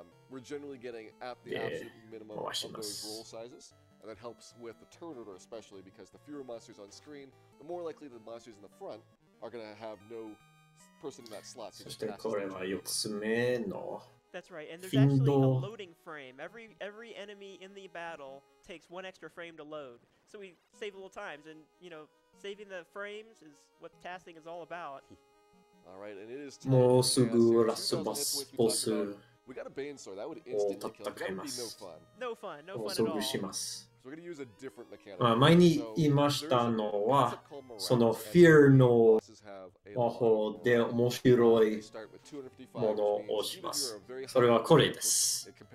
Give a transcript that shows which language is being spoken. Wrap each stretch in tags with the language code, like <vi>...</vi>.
<en>We're generally getting at the absolute minimum of those roll sizes, and that helps with the turn order especially, because the fewer monsters on screen, the more likely the monsters in the front are going to have no person in that slot.</en> <ja>そしてこれは4つ目の</ja> <en>That's right, and there's actually a loading frame. Every enemy in the battle takes one extra frame to load, so we save a little time, and you know, saving the frames is what casting is all about. All right, and it is</en> <ja>もうすぐラストボス、ボス。</ja> <en>We got a Bane sword, that would instantly kill. That would be no fun at all. So we're going to use a different mechanic.</en> <ja>前に言いましたのは、その Fear の魔法で面白いものをします。それはこれです。</ja>